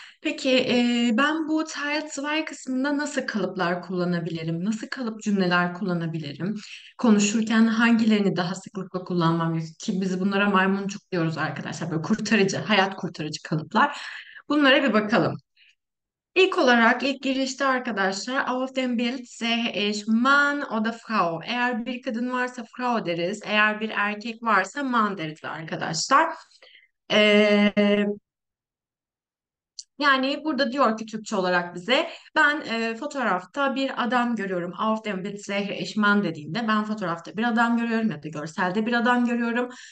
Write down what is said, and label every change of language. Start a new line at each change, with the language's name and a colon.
Turkish: Peki ben bu Teil 2 kısmında nasıl kalıplar kullanabilirim? Nasıl kalıp cümleler kullanabilirim? Konuşurken hangilerini daha sıklıkla kullanmam ki biz bunlara maymuncuk diyoruz arkadaşlar. Böyle kurtarıcı, hayat kurtarıcı kalıplar. Bunlara bir bakalım. İlk olarak ilk girişte arkadaşlar
German: auf dem Bild sehe ich Mann oder Frau.
Turkish: Eğer bir kadın varsa Frau deriz. Eğer bir erkek varsa Mann deriz arkadaşlar. Yani burada diyor ki Türkçe olarak bize ben fotoğrafta bir adam görüyorum.
German: Auf dem Bild sehe ich Mann
Turkish: dediğinde ben fotoğrafta bir adam görüyorum ya da görselde bir adam görüyorum.